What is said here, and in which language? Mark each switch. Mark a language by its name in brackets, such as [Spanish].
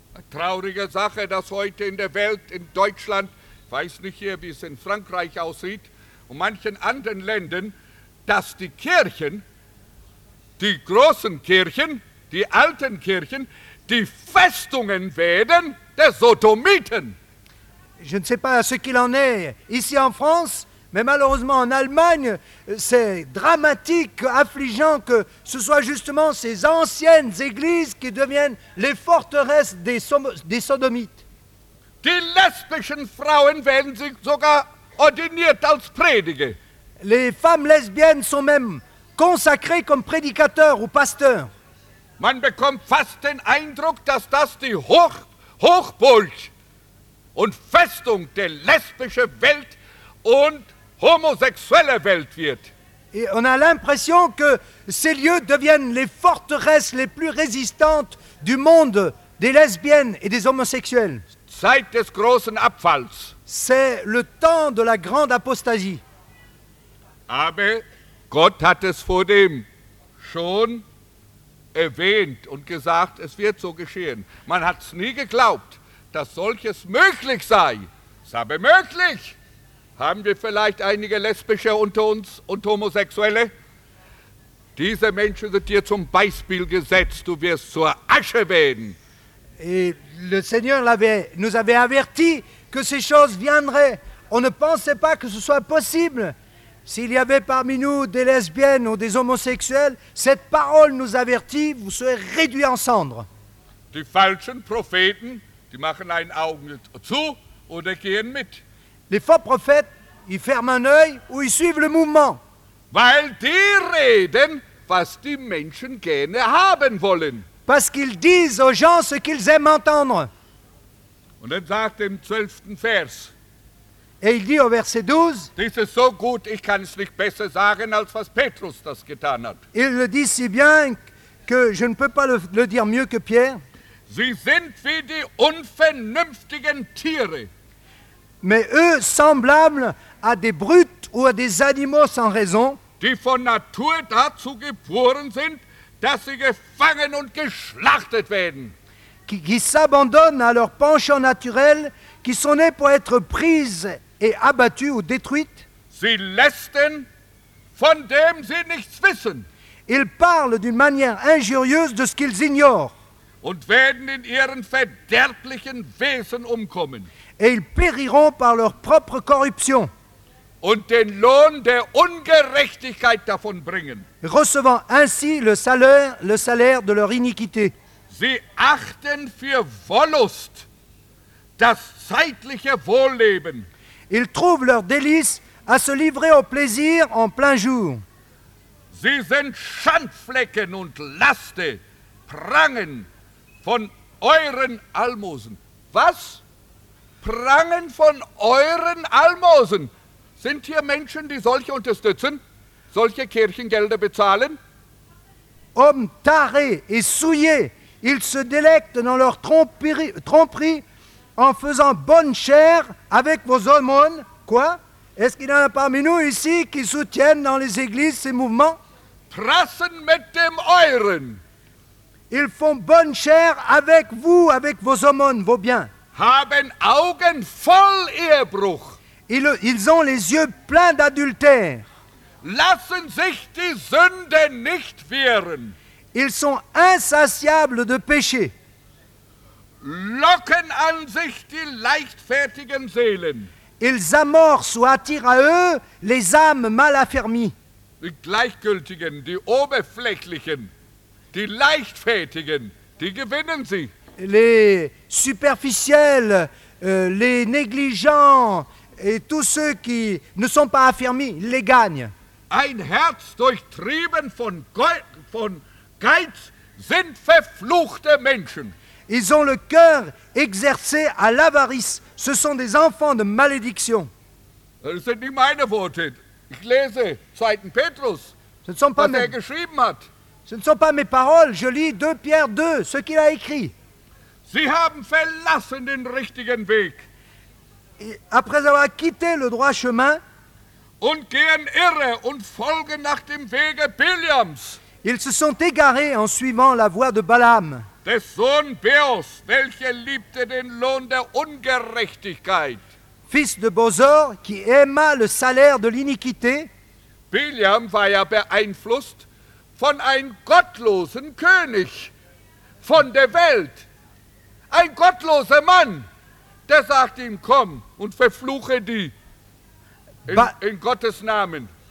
[German] Traurige Sache, dass heute in der Welt, in Deutschland, ich weiß nicht hier, wie es in Frankreich aussieht, und manchen anderen Ländern, dass die Kirchen, die großen Kirchen, die alten Kirchen, die Festungen werden der Sodomiten. [French] Je ne sais pas ce qu'il en est ici en France, mais malheureusement en Allemagne, c'est dramatique, affligeant que ce soit justement ces anciennes églises qui deviennent les forteresses des sodomites. [German] Die lesbischen Frauen werden sich sogar ordiniert als Prediger. [French] Les femmes lesbiennes sont même consacrées comme prédicateurs ou pasteurs. [German] Man bekommt fast den Eindruck, dass das die Hochburg und Festung der lesbischen Welt und homosexuelle Welt wird. [French] Et on a l'impression que ces lieux deviennent les forteresses les plus résistantes du monde des lesbiennes et des homosexuels. [German] Zeit des großen Abfalls. [French] C'est le temps de la grande apostasie. [German] Aber Gott hat es vor dem schon erwähnt und gesagt, es wird so geschehen. Man hat es nie geglaubt, dass solches möglich sei. Es ist aber möglich. Haben wir vielleicht einige Lesbische unter uns und Homosexuelle? Diese Menschen sind dir zum Beispiel gesetzt. Du wirst zur Asche werden. [French] Et le Seigneur nous avait averti que ces choses viendraient. On ne pensait pas que ce soit possible. S'il y avait parmi nous des lesbiennes ou des homosexuels, cette parole nous avertit, vous serez réduits en cendres. [German] Die falschen Propheten, die machen ein Auge zu oder gehen mit. [French] Les faux prophètes, ils ferment un œil ou ils suivent le mouvement. [German] Weil die reden, was die Menschen gerne haben wollen. [French] Parce qu'ils disent aux gens ce qu'ils aiment entendre. [German] Und dann sagt im 12. Vers. [French] Et il dit au verset 12, [German] dies ist so gut, ich kann es nicht besser sagen, als was Petrus das getan hat. [French] Il le dit si bien que je ne peux pas le dire mieux que Pierre. [German] Sie sind wie die unvernünftigen Tiere. [French] Mais eux semblables à des brutes ou à des animaux sans raison. [German] Die von Natur dazu geboren sind, dass sie gefangen und geschlachtet werden. [French] Qui s'abandonnent à leur penchant naturel, qui sont nés pour être prises et abattues ou détruites. [German] Sie lästern, von dem sie nichts wissen. [French] Ils parlent d'une manière injurieuse de ce qu'ils ignorent. [German] Und werden in ihren verderblichen Wesen umkommen. [French] Et ils périront par leur propre corruption. [German] Und den Lohn der Ungerechtigkeit davon bringen. [French] Recevant ainsi le salaire de leur iniquité. [German] Sie achten für Wollust das zeitliche Wohlleben. [French] Ils trouvent leur délice à se livrer au plaisir en plein jour. [German] Sie sind Schandflecken und Laste, prangen von euren Almosen. Was? Prangen von euren Almosen. Sind hier Menschen, die solche unterstützen? Solche Kirchengelder bezahlen? [French] Hommes tarés et souillés, ils se délectent dans leur tromperie en faisant bonne chère avec vos aumônes. Quoi? Est-ce qu'il y en a parmi nous ici qui soutiennent dans les églises ces mouvements? [German] Prassen mit dem euren. [French] Ils font bonne chère avec vous, avec vos aumônes, vos biens. [German] Haben Augen voll Ehebruch. [French] Ils ont les yeux pleins d'adultère. [German] Lassen sich die Sünde nicht wehren. [French] Ils sont insatiables de péché. [German] Locken an sich die leichtfertigen Seelen. [French] Ils amorcent ou attirent à eux les âmes mal affermies. [German] Die Gleichgültigen, die Oberflächlichen, die Leichtfertigen, die gewinnen sie. [French] Les superficiels, les négligents et tous ceux qui ne sont pas affirmés, ils les gagnent. [German] Ein Herz durchtrieben von Geiz sind verfluchte Menschen. [French] Ils ont le cœur exercé à l'avarice. Ce sont des enfants de malédiction. [German] Das sind nicht meine Worte. Ich lese 2. Petrus, [French] ce ne sont pas [German] was er geschrieben hat. [French] Ce ne sont pas mes paroles. Je lis 2 Pierre 2, ce qu'il a écrit. [German] Sie haben verlassen den richtigen Weg. [French] Et après avoir quitté le droit chemin, [German] und gehen irre und folgen nach dem Wege Biliams. [French] Ils se sont égarés en suivant la voie de Balaam. [German] Des Sohn Beos, welcher liebte den Lohn der Ungerechtigkeit. [French] Fils de Bozor, qui aima le salaire de l'iniquité. [German] Biliam war ja beeinflusst von einem gottlosen König, von der Welt. Ein gottloser Mann, der sagt ihm, komm und verfluche die in Gottes Namen.